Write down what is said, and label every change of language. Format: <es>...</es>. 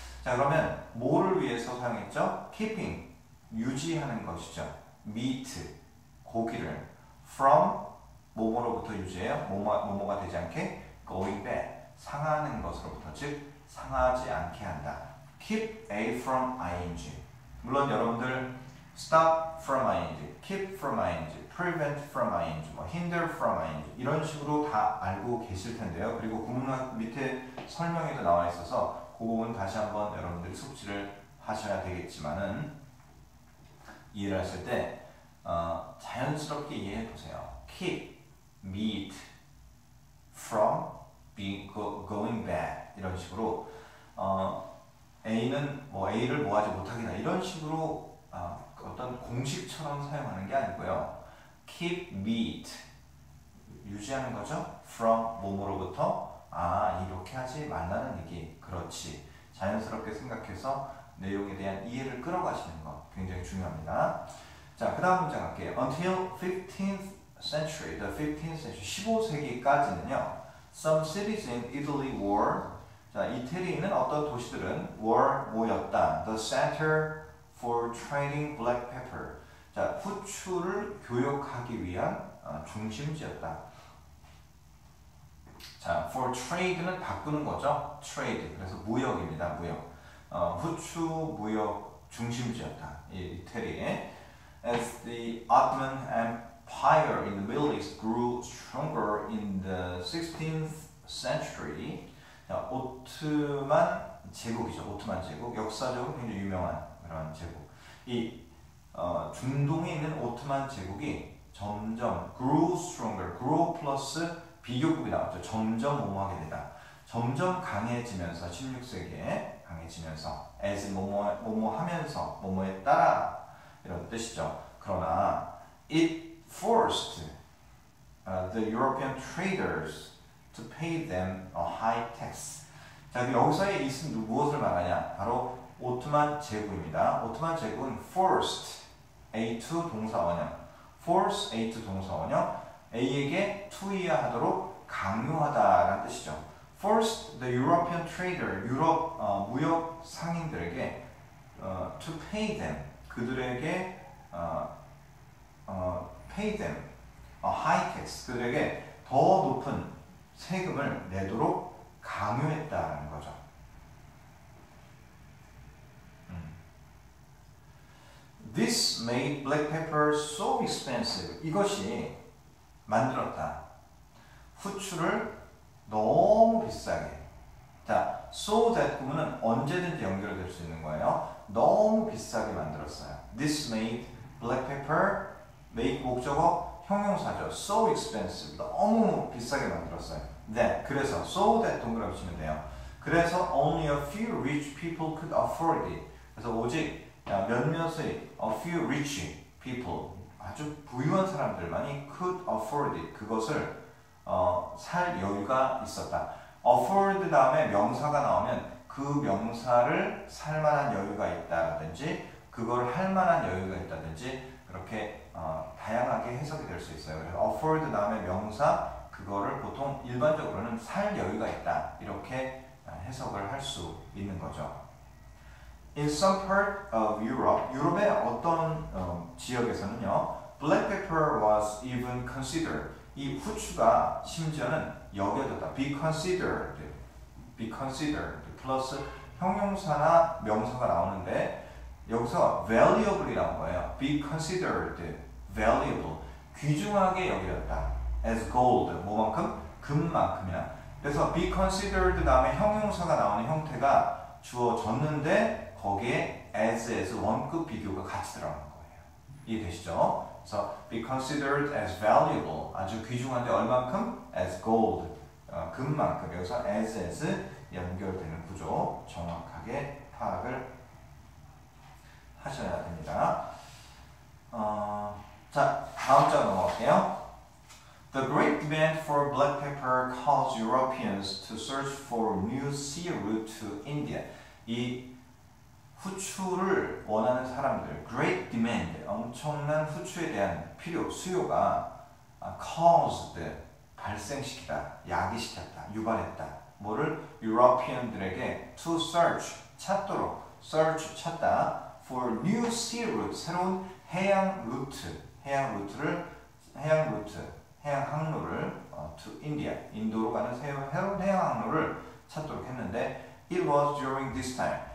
<ko>자, 그러면 뭐를 위해서 사용했죠? Keeping, 유지하는 것이죠. Meat, 고기를 from 뭐뭐로부터 유지해요? 뭐뭐가 되지 않게</ko> <en>going bad,</en> <ko>상하는 것으로부터 즉 상하지 않게 한다.</ko> <en>Keep a from ing.</en> <ko>물론 여러분들</ko> <en>stop from ing, keep from ing,</en> <ko>prevent from ing, 뭐 hinder from ing 이런 식으로 다 알고 계실 텐데요. 그리고 구문 밑에 설명에도 나와 있어서 그 부분 다시 한번 여러분들이 숙지를 하셔야 되겠지만은 이해를 하실 때 자연스럽게 이해해 보세요.</ko> <en>Keep meat from being going bad</en> <ko>이런 식으로 A는 뭐 A를 뭐 하지 못하게나 이런 식으로 어떤 공식처럼 사용하는 게 아니고요.</ko> <en>Keep meat</en> <ko>유지하는 거죠. From 몸으로부터 아 이렇게 하지 말라는 얘기 그렇지. 자연스럽게 생각해서 내용에 대한 이해를 끌어가시는 것 굉장히 중요합니다. 자, 그 다음 문장 갈게요.</ko> <en>Until 15th century, the 15th century,</en> <ko>15세기까지는요,</ko> <en>some cities in Italy were,</en> <ko>자, 이태리에 있는 어떤 도시들은</ko> <en>were</en> <ko>뭐였다?</ko> <en>The center for trading black pepper.</en> <ko>자, 후추를 교역하기 위한 중심지였다. 자, for trade는 바꾸는 거죠. trade. 그래서 무역입니다. 무역. 후추 무역 중심지였다. 이태리에.</ko> <en>As the Ottoman Empire in the Middle East grew stronger in the 16th century.</en> <ko>자, 오트만 제국이죠. 오트만 제국. 역사적으로 굉장히 유명한 그런 제국. 이 중동에 있는 오트만 제국이 점점</ko> <en>grew stronger.</en> <ko>grow plus 비교급이 나왔죠. 점점 뭐뭐하게 되다. 점점 강해지면서 16세기에 강해지면서 as 뭐뭐 하면서 뭐뭐에 따라 이런 뜻이죠. 그러나</ko> <en>it forced the European traders to pay them a high tax.</en> <ko>자, 여기서의 is 무엇을 말하냐? 바로 오트만 제국입니다. 오트만 제국은</ko> <en>forced a to</en> <ko>동사원형.</ko> <en>force a to</en> <ko>동사원형. a에게 to 이하하도록 강요하다라는 뜻이죠.</ko> <en>Forced the European trader,</en> <ko>유럽 무역 상인들에게</ko> <en>to pay them,</en> <ko>그들에게</ko> <en>pay them a high tax,</en> <ko>그들에게 더 높은 세금을 내도록 강요했다는 거죠.</ko> <en>'This made black pepper so expensive.'</en> <ko>이것이 만들었다. 후추를 너무 비싸게. 자,</ko> <en>so that</en> <ko>구문은 언제든지 연결될 수 있는 거예요. 너무 비싸게 만들었어요.</ko> <en>This made black pepper, make</en> <ko>목적어 형용사죠.</ko> <en>So expensive,</en> <ko>너무 비싸게 만들었어요. That, 그래서</ko> <en>so that</en> <ko>동그라미 치면 돼요. 그래서</ko> <en>only a few rich people could afford it.</en> <ko>그래서 오직 몇몇의</ko> <en>a few rich people,</en> <ko>아주 부유한 사람들만이</ko> <en>could afford it,</en> <ko>그것을 살 여유가 있었다. afford 다음에 명사가 나오면 그 명사를 살 만한 여유가 있다든지 그걸 할 만한 여유가 있다든지 그렇게 다양하게 해석이 될 수 있어요. 그래서 afford 다음에 명사 그거를 보통 일반적으로는 살 여유가 있다 이렇게 해석을 할 수 있는 거죠.</ko> <en>In some part of Europe,</en> <ko>유럽의 어떤 지역에서는요,</ko> <en>black pepper was even considered.</en> <ko>이 후추가 심지어는 여겨졌다.</ko> <en>Be considered. Be considered.</en> <ko>플러스 형용사나 명사가 나오는데 여기서 valuable이라는 거예요.</ko> <en>Be considered. Valuable.</en> <ko>귀중하게 여겨졌다.</ko> <en>As gold.</en> <ko>뭐만큼? 금만큼이나. 그래서</ko> <en>be considered</en> <ko>다음에 형용사가 나오는 형태가 주어졌는데 거기에 as 원급 비교가 같이 들어가는 거예요. 이해되시죠?</ko> <en>So, be considered as valuable.</en> <ko>아주 귀중한데 얼만큼?</ko> <en>As gold.</en> <ko>금만큼. 여기서 as 연결되는 구조. 정확하게 파악을 하셔야 됩니다. 자, 다음 장 넘어갈게요.</ko> <en>The great demand for black pepper caused Europeans to search for new sea route to India.</en> <ko>이 후추를 원하는 사람들,</ko> <en>great demand,</en> <ko>엄청난 후추에 대한 필요, 수요가 caused, 발생시키다, 야기시켰다, 유발했다. 뭐를? European들에게</ko> <en>to search,</en> <ko>찾도록, search, 찾다,</ko> <en>for new sea route,</en> <ko>새로운 해양 루트, 해양 루트를, 해양 루트, 해양 항로를</ko> <en>to India,</en> <ko>인도로 가는 새로운 해양 항로를 찾도록 했는데</ko> <en>it was during this time.</en>